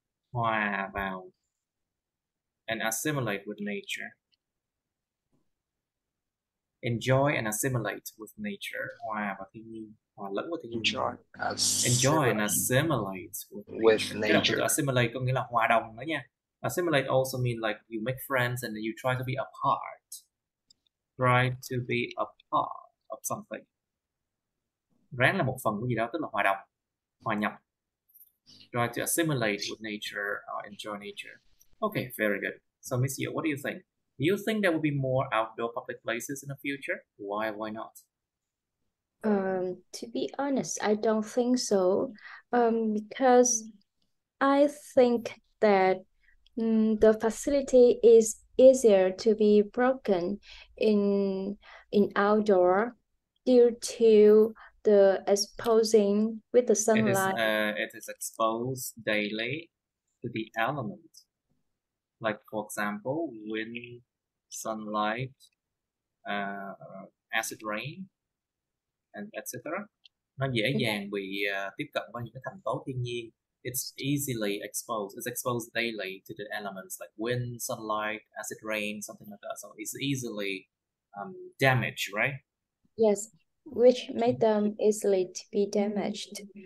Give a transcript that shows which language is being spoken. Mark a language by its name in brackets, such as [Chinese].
[English] Wow, vào and assimilate with nature. Enjoy and assimilate with nature. Wow, [Vietnamese] và thiên nhiên. Hòa lẫn với thiên [English] enjoy nhiên. Enjoy and assimilate with nature. [Vietnamese] Cái assimilate có nghĩa là hòa đồng đó nha. [English] Assimilate also mean like you make friends and you try to be a part. Try to be a part of something. [Vietnamese] Ráng là một phần của gì đó, tức là hòa đồng, hòa nhập. [English] Try to assimilate with nature or enjoy nature. Okay, very good. So Miss Yu, what do you think? Do you think there will be more outdoor public places in the future? Why not? To be honest, I don't think so. Because I think that the facility is easier to be broken in outdoor due to the exposing with the sunlight. It is exposed daily to the element. Like for example, wind, sunlight, acid rain, and etc. [Vietnamese] Nó dễ dàng bị tiếp cận với những cái thành tố thiên nhiên. [English] It's easily exposed. It's exposed daily to the elements like wind, sunlight, acid rain, something like that. So it's easily damaged, right? Yes, which made them easily to be damaged.